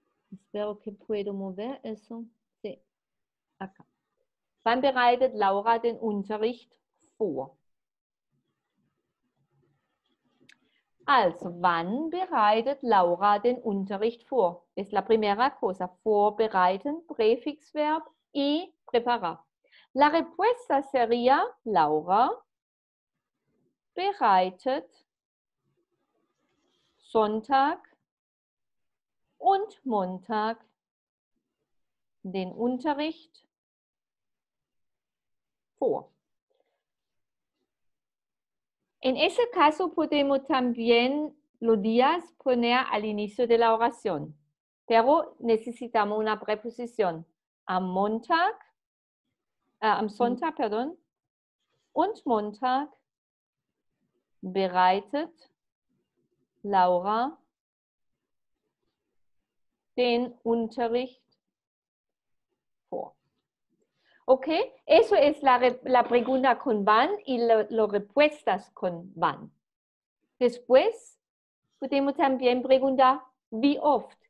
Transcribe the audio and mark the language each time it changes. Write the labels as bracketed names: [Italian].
[Spanish] Espero que puedo mover eso. Sí. Acá. [German] Wann bereitet Laura den Unterricht vor? Also, wann bereitet Laura den Unterricht vor? [Spanish] Es la primera cosa. Vorbereiten, Präfixverb y preparar. La respuesta sería, [German] Laura bereitet Sonntag und Montag den Unterricht vor. [Spanish] En ese caso podemos también los días poner al inicio de la oración. Pero necesitamos una preposición. [German] Am Montag, am Sonntag, perdón, und Montag bereitet Laura den Unterricht vor. [Spanish] Ok, eso es la pregunta con van y las respuestas con van. Después, podemos también preguntar, ¿wie oft?